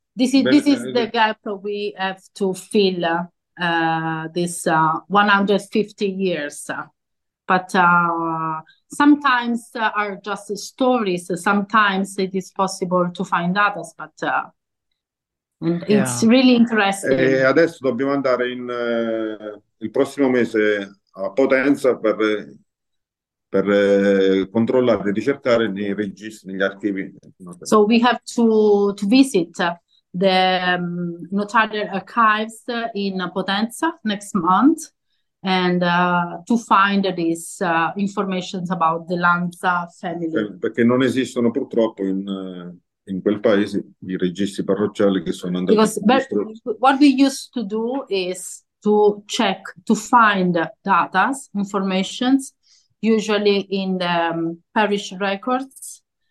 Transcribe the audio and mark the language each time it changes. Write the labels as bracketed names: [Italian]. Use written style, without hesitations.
[English] This is the gap we have to fill, this 150 years. But sometimes are just stories. Sometimes it is possible to find others, but it's really [Italian] E [English] interesting. [Italian] adesso dobbiamo andare il prossimo mese a Potenza per controllare e ricercare nei registri, negli archivi. [English] So we have to visit the notarial archives in Potenza next month, and to find this information about the Lanza family. [Italian] Perché non esistono purtroppo in quel paese i registri parrocchiali che sono andati [English] Because [Italian] distrutti. [English] what we used to do is to check, to find data, information, usually in the parish records.